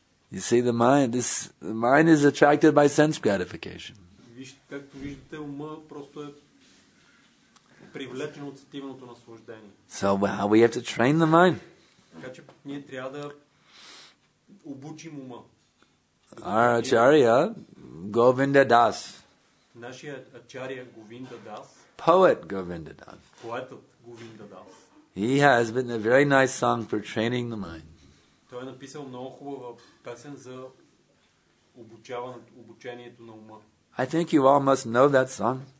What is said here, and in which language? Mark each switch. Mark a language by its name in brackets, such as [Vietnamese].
[English] You see, the mind is attracted by sense gratification. [Bulgarian] Както виждате, ума просто е привлечен от сетивното наслаждение. [English] So we have to train the mind. [Bulgarian] Така че ние трябва да обучим ума. [English] Our acharya, Govinda Das. [Bulgarian] Нашия ачария Говинда Дас. [English] Poet Govinda Das. [Bulgarian] Поетът Говинда Дас. [English] He has written a very nice song for training the mind. [Bulgarian] Той е написал много хубава песен за обучението на ума. [English] I think you all must know that song.